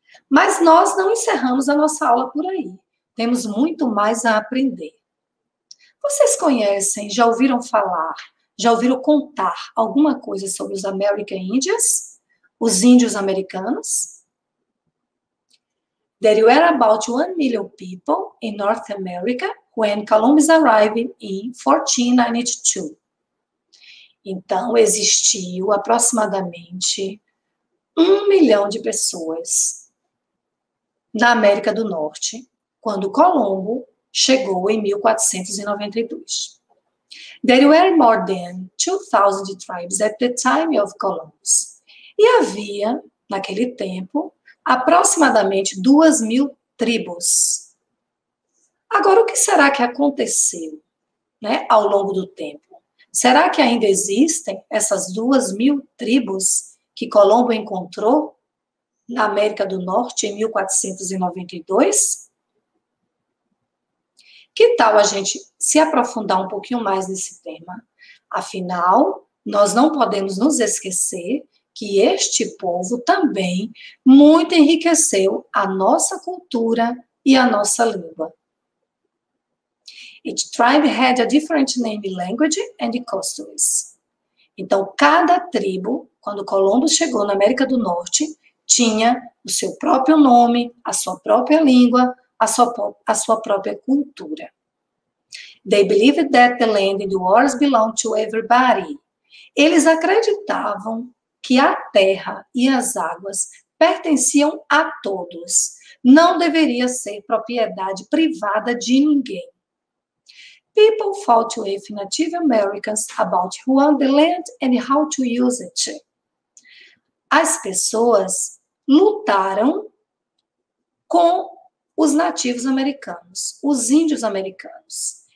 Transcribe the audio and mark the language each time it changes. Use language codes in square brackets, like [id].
[pt] Mas nós não encerramos a nossa aula por aí. Temos muito mais a aprender. Vocês conhecem, já ouviram falar, já ouviram contar alguma coisa sobre os American Indians, os índios americanos? [en] There were about 1 million people in North America when Columbus arrived in 1492. [pt] Então, existiu aproximadamente 1 milhão de pessoas na América do Norte quando Colombo chegou em 1492. [en] There were more than 2,000 tribes at the time of Columbus. [pt] E havia, naquele tempo, aproximadamente 2,000 tribos. Agora, o que será que aconteceu, né, ao longo do tempo? Será que ainda existem essas 2,000 tribos que Colombo encontrou na América do Norte em 1492? Que tal a gente se aprofundar um pouquinho mais nesse tema? Afinal, nós não podemos nos esquecer que este povo também muito enriqueceu a nossa cultura e a nossa língua. [en] Each tribe had a different name, language and customs. [pt] Então, cada tribo, quando Colombo chegou na América do Norte, tinha o seu próprio nome, a sua própria língua, a sua própria cultura. [en] They believed that the land and the waters belonged to everybody. [pt] Eles acreditavam que a terra e as águas pertenciam a todos. Não deveria ser propriedade privada de ninguém. [en] People fought with Native Americans about who owned the land and how to use it. [pt] As pessoas lutaram com os nativos americanos, os índios americanos.